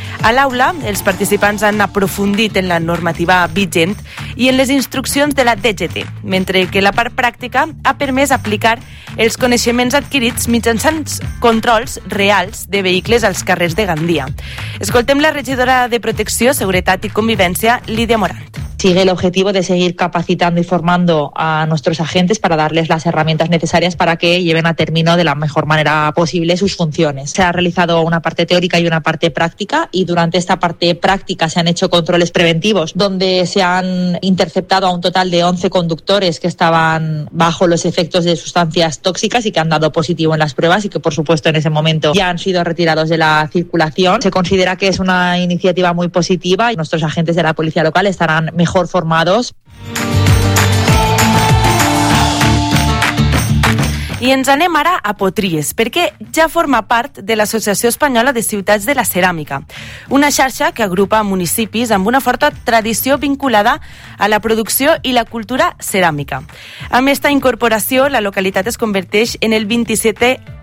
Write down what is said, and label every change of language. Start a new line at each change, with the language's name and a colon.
Catalan: A l'aula, els participants han aprofundit en la normativa vigent i en les instruccions de la DGT, mentre que la part pràctica ha permès aplicar els coneixements adquirits mitjançant controls reals de vehicles als carrers de Gandia. Escoltem la regidora de Protecció, Seguretat i Convivència, Lídia Morant.
Spanish: Sigue el objetivo de seguir capacitando y formando a nuestros agentes para darles las herramientas necesarias para que lleven a término de la mejor manera posible sus funciones. Se ha realizado una parte teórica y una parte práctica, y durante esta parte práctica se han hecho controles preventivos donde se han interceptado a un total de 11 conductores que estaban bajo los efectos de sustancias tóxicas y que han dado positivo en las pruebas y que, por supuesto, en ese momento ya han sido retirados de la circulación. Se considera que es una iniciativa muy positiva y nuestros agentes de la policía local estarán mejor formados.
Catalan: I ens anem ara a Potries, perquè ja forma part de l'Associació Espanyola de Ciutats de la Ceràmica, una xarxa que agrupa municipis amb una forta tradició vinculada a la producció i la cultura ceràmica. Amb aquesta incorporació, la localitat es converteix en el 27è